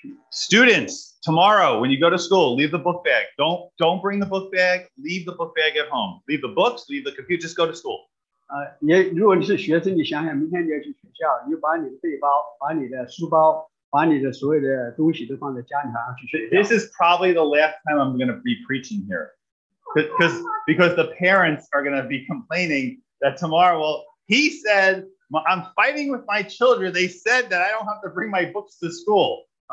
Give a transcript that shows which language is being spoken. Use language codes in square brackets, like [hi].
[en] Students, tomorrow when you go to school, leave the book bag. Don't bring the book bag. Leave the book bag at home. Leave the books, leave the computer, just go to school. [zh] 如果你是学生，你想想明天你要去学校，你就把你的背包，把你的书包。 [en] This is probably the last time I'm going to be preaching here. Because the parents are going to be complaining that tomorrow, well, he said, I'm fighting with my children. They said that I don't have to bring my books to school.